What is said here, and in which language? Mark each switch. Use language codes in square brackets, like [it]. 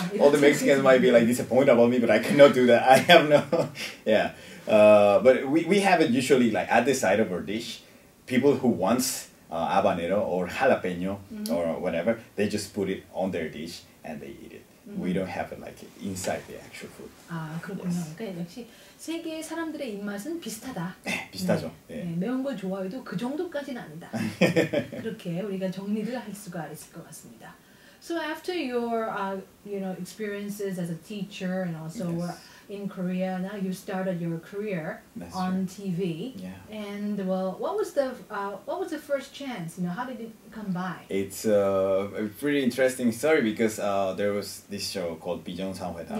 [en] All the Mexicans might be like disappointed about me, but I cannot do that. I have no. yeah. But we have it usually like at the side of our dish. People who wants habanero or jalapeño mm-hmm. or whatever, they just put it on their dish and they eat it. Mm-hmm. We don't have it like inside the actual food. [ko] 아 그렇군요. [en] Yes. [ko] 그러니까 역시 세계 사람들의 입맛은 비슷하다. 네, 비슷하죠. 네. 네. 네, 매운 걸 좋아해도 그 정도까지는 아니다. 그렇게 우리가 정리를 할 수가 있을 것 같습니다. [en] So after your experiences as a teacher and also yes. in Korea, now you started your career That's on right. TV. Yeah. And well, what was the first chance? You know, how did it come by? It's a pretty interesting story because there was this show called Bijong Sanhueda,